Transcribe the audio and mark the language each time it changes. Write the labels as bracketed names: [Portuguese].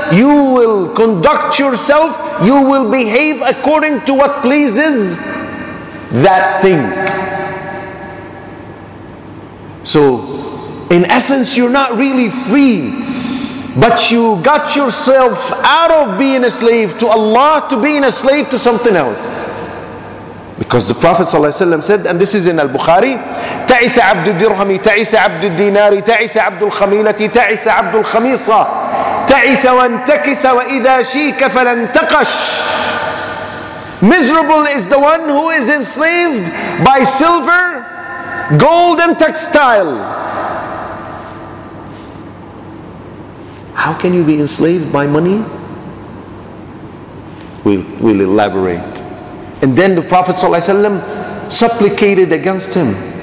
[English] You will conduct yourself. You will behave according to what pleases that thing. So, in essence, you're not really free. But you got yourself out of being a slave to Allah to being a slave to something else. Because the Prophet ﷺ said, and this is in Al-Bukhari, [Arabic] تَعِسَ عَبْدُ الدِّرْهَمِ تَعِسَ عَبْدُ الدِّنَارِ تَعِسَ عَبْدُ الْخَمِيلَةِ تَعِسَ عَبْدُ الْخَمِيصَةِ تَعِسَ وَانْتَكِسَ وَإِذَا شِيكَ فَلَنْتَقَشْ. [English] Miserable is the one who is enslaved by silver, gold and textile. How can you be enslaved by money? We'll elaborate. And then the Prophet ﷺ supplicated against him.